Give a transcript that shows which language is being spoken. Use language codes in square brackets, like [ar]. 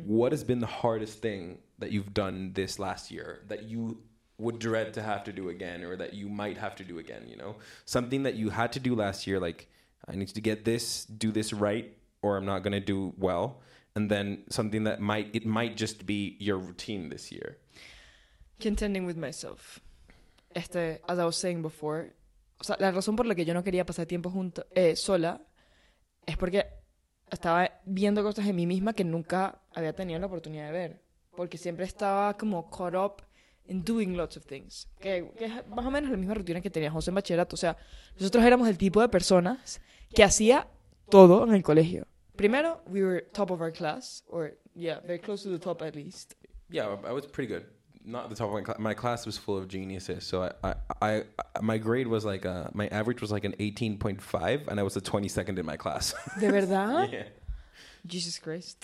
[en] what has been the hardest thing that you've done this last year that you would dread to have to do again, or that you might have to do again, you know? Something that you had to do last year, like, I need to get this, do this right, or I'm not going to do well. And then something that it might just be your routine this year. Contending with myself. As I was saying before, [es] o sea, la razón por la que yo no quería pasar tiempo sola es porque estaba viendo cosas en mí misma que nunca había tenido la oportunidad de ver. Porque siempre estaba como [en] caught up in doing lots of things. [es] Que es más o menos la misma rutina que tenía José en bachillerato. O sea, nosotros éramos el tipo de personas que hacía todo en el colegio. Primero, [en] we were top of our class. Or, yeah, very close to the top at least. Yeah, I was pretty good. Not the top of my class. My class was full of geniuses. So I my grade was like, my average was like an 18.5. And I was the 22nd in my class. [es] ¿De verdad? [en] Yeah. Jesus Christ.